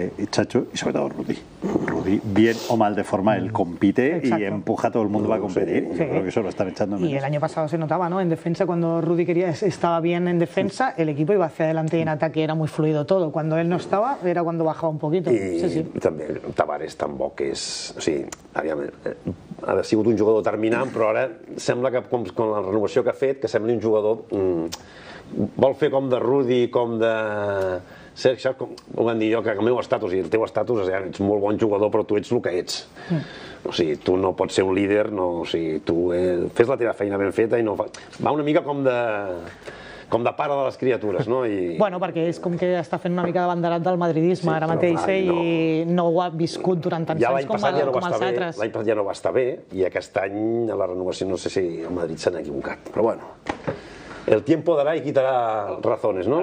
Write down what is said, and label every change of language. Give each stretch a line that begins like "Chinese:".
Spanish: Chacho y sobre todo Rudy, bien o mal de forma, él compite. Exacto. Y empuja a todo el mundo para competir. Sí. Yo creo que eso lo están echando menos. Y el año pasado se notaba, ¿no? En defensa, cuando Rudy quería, estaba bien en defensa, el equipo iba hacia adelante y en ataque era muy fluido todo. Cuando él no estaba, era cuando bajaba un poquito. Y sí, sí. También Tavares tampoco es...
Catalan: O sea, ha sigut un jugador determinant, però ara sembla que, com la renovació que ha fet, que sembli un jugador... vol fer com de Rudy, com de... Cerc, saps com ho van dir jo, que el meu estatus i el teu estatus és que ets molt bon jugador, però tu ets el que ets. O sigui, tu no pots ser un líder, no, o sigui, tu fes la teva feina ben feta i no... Va una mica com de... com de pare de les criatures, no? I... Bueno, perquè és com que està fent una mica de banderat del madridisme, sí, ara mateix, però, i no ho ha viscut durant tants ja anys com, ja no com els bé, altres. L'any passat ja no va estar bé, i aquest any a la renovació no sé si el Madrid s'ha equivocat, però bueno.
Spanish: El tiempo dará y quitará razones, ¿no?